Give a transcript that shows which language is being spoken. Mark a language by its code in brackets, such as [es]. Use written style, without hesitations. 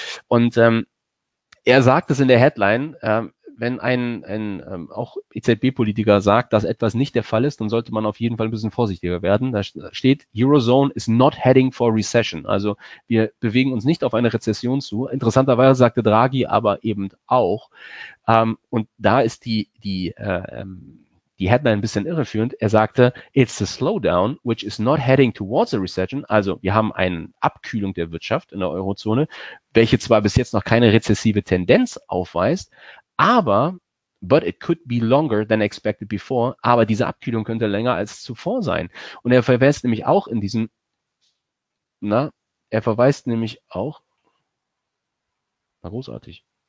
[de] Und er sagt es in der Headline, wenn ein auch EZB-Politiker sagt, dass etwas nicht der Fall ist, dann sollte man auf jeden Fall ein bisschen vorsichtiger werden. Da steht, [en] Eurozone is not heading for recession. [de] Also wir bewegen uns nicht auf eine Rezession zu. Interessanterweise sagte Draghi aber eben auch, und da ist die Headline ein bisschen irreführend. Er sagte, [en] it's a slowdown, which is not heading towards a recession. [de] Also wir haben eine Abkühlung der Wirtschaft in der Eurozone, welche zwar bis jetzt noch keine rezessive Tendenz aufweist, aber, [en] but it could be longer than expected before, [de] aber diese Abkühlung könnte länger als zuvor sein. Und er verweist nämlich auch in diesem, na großartig.